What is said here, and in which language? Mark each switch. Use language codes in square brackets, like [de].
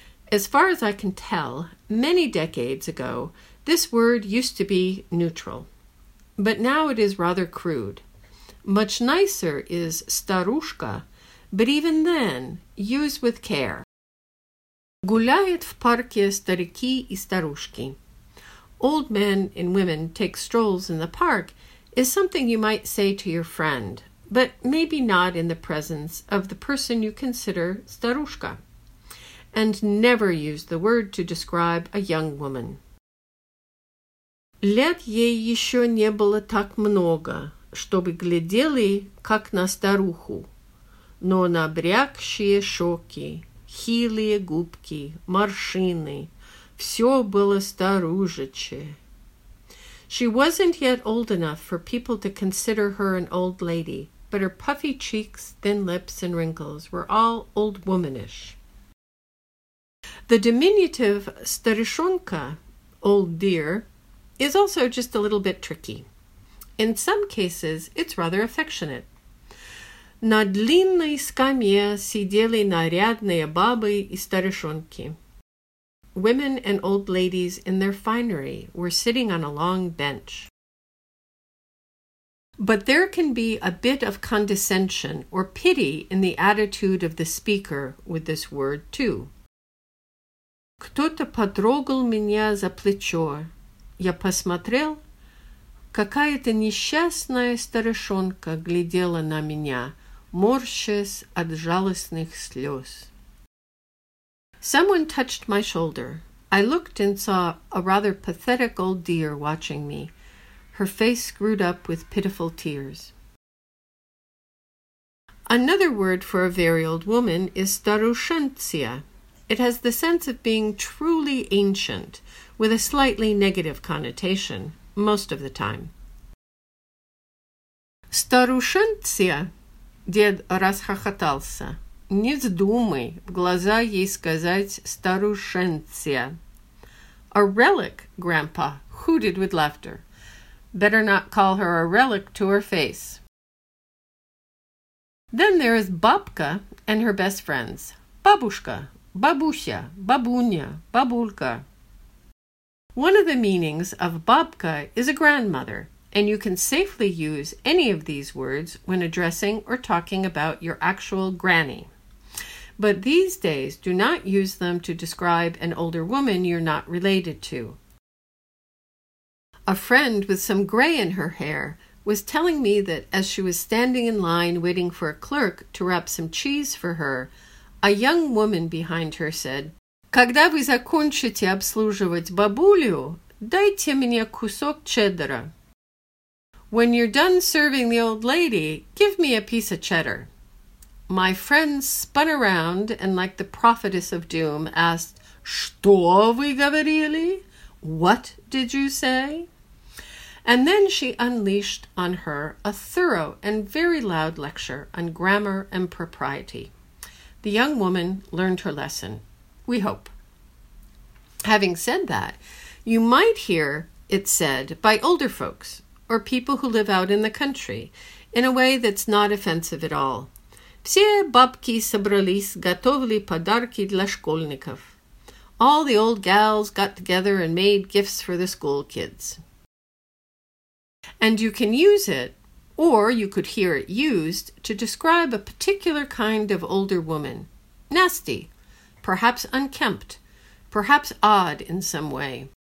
[en] As far as I can tell, many decades ago, this word used to be neutral, but now it is rather crude. Much nicer is старушка, but even then, use with care. [ru] Гуляют в парке старики и старушки. [en] Old men and women take strolls in the park is something you might say to your friend, but maybe not in the presence of the person you consider старушка. And never use the word to describe a young woman. [ru] Лет ей еще не было так много, чтобы глядели, как на старуху, но набрякшие щеки, хилые губки, морщины, все было старужиче. [en] She wasn't yet old enough for people to consider her an old lady, but her puffy cheeks, thin lips, and wrinkles were all old womanish. The diminutive старишонка, old dear, is also just a little bit tricky. In some cases, it's rather affectionate. [ru] На длинной скамье сидели нарядные бабы и старушонки. [en] Women and old ladies in their finery were sitting on a long bench. But there can be a bit of condescension or pity in the attitude of the speaker with this word, too. [ru] Кто-то потрогал меня за плечо. Я посмотрел. Какая-то несчастная старушонка глядела на меня, морщась от жалостных слез. [en] Someone touched my shoulder. I looked and saw a rather pathetic old dear watching me. Her face screwed up with pitiful tears. Another word for a very old woman is старушенция. It has the sense of being truly ancient, with a slightly negative connotation, most of the time. [ru] Старушенция, дед расхохотался. Не вздумай в глаза ей сказать старушенция. [en] A relic, Grandpa hooted with laughter. Better not call her a relic to her face. Then there is бабка and her best friends. [ru] Бабушка, бабуся, бабуня, бабулька. [en] One of the meanings of бабка is a grandmother, and you can safely use any of these words when addressing or talking about your actual granny. But these days, do not use them to describe an older woman you're not related to. A friend with some gray in her hair was telling me that as she was standing in line waiting for a clerk to wrap some cheese for her, a young woman behind her said, [ru] Когда вы закончите обслуживать бабулю, дайте мне кусок чеддера. [en] When you're done serving the old lady, give me a piece of cheddar. My friends spun around and, like the prophetess of doom, asked, [ru] «Что вы говорили?» [en] «What did you say?» And then she unleashed on her a thorough and very loud lecture on grammar and propriety. The young woman learned her lesson, we hope. Having said that, you might hear it said by older folks or people who live out in the country in a way that's not offensive at all. [ru] Все бабки собрались готовили подарки для школьников. [en] All the old gals got together and made gifts for the school kids. And you can use it, or you could hear it used, to describe a particular kind of older woman. Nasty, perhaps unkempt, perhaps odd in some way.